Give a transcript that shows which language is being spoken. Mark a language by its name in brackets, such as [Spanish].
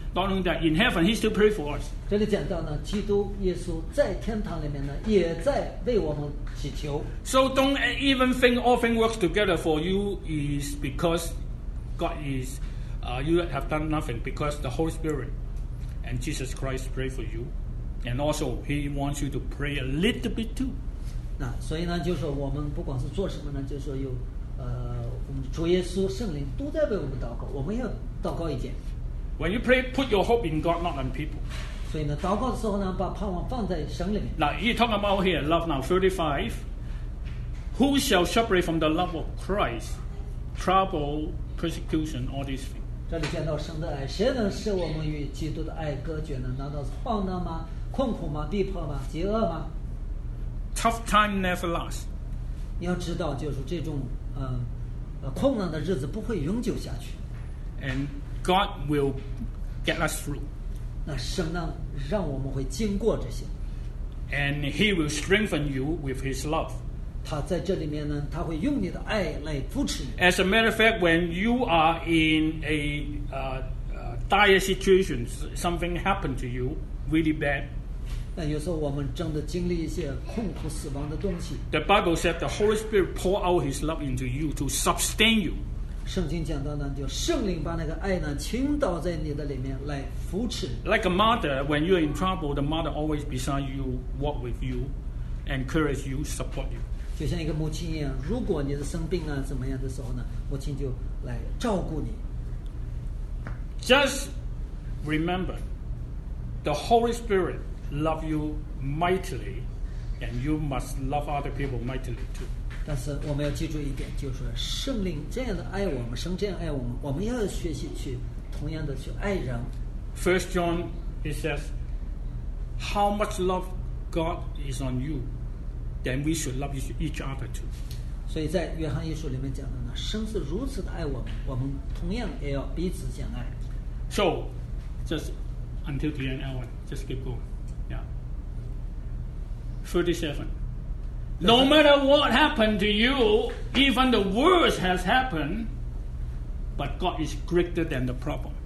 [English] Not only that, in heaven, he still pray for us. [Chinese] 这里讲到呢，基督耶稣在天堂里面呢，也在为我们祈求。 [English] So don't even think all things works together for you is because God is, you have done nothing because the Holy Spirit and Jesus Christ pray for you. And also, he wants you to pray a little bit too. [Chinese] 那所以呢，就是我们不管是做什么呢，就是有我们主耶稣圣灵都在为我们祷告，我们要祷告一点。 [English] When you pray, put your hope in God, not on people. [Chinese] 所以呢，祷告的时候呢，把盼望放在神里面。 [English] Now, he talk about here love. Now, 35. Who shall separate from the love of Christ? Trouble, persecution, all these things. [Chinese] 这里见到神的爱，谁能使我们与基督的爱隔绝呢？难道是患难吗？困苦吗？逼迫吗？饥饿吗？ [English] Tough time never lasts. [Chinese] 你要知道，就是这种困难的日子不会永久下去。 [English] And God will get us through. [Chinese] 那神呢，让我们会经过这些。 [English] And He will strengthen you with His love. [Chinese] 他在这里面呢，他会用你的爱来扶持你。 [English] As a matter of fact, when you are in a dire situation, something happened to you, really bad. [Chinese] 那有时候我们真的经历一些痛苦死亡的东西。 [English] The Bible said the Holy Spirit pour out His love into you to sustain you. [Chinese] 圣经讲到呢，就圣灵把那个爱呢倾倒在你的里面来扶持。 [English] Like a mother, when you're in trouble, the mother always beside you, walk with you, encourage you, support you. [Chinese] 就像一个母亲一样，如果你是生病啊怎么样的时候呢，母亲就来照顾你。 [English] Just remember, the Holy Spirit. Love you mightily, and you must love other people mightily too. [Chinese] 但是我们要记住一点，就是圣灵这样的爱我们，神这样爱我们，我们要学习去同样的去爱人。 [English] First John, he says, "How much love God is on you, then we should love each other too." [Chinese] 所以在约翰一书里面讲的呢，神是如此的爱我们，我们同样也要彼此相爱。 [English] So, just until the end, Alan, just keep going. 37. No matter what happened to you, even the worst has happened, but God is greater than the problem.